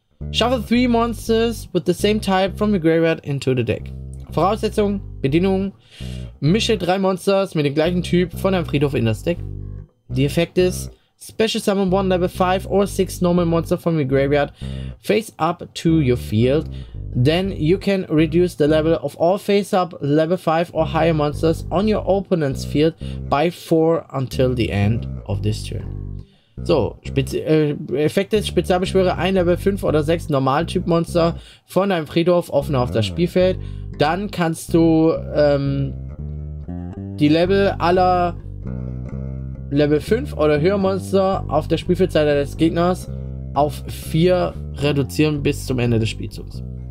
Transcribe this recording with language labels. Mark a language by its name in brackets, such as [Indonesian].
[English] Shuffle three monsters with the same type from the graveyard into the deck. [German] Voraussetzung, Bedingung. Mische drei Monsters mit dem gleichen Typ von einem Friedhof in das Deck. Die Effekt ist, [English] special summon one level 5 or 6 normal monster from your graveyard face up to your field. Then you can reduce the level of all face up level 5 or higher monsters on your opponent's field by 4 until the end of this turn. [German] So, Effekt ist, Spezialbeschwöre ein Level 5 oder 6 Normaltyp-Monster von deinem Friedhof offen auf das Spielfeld. Dann kannst du die Level aller Level 5 oder höher Monster auf der Spielfeldseite des Gegners auf 4 reduzieren bis zum Ende des Spielzugs.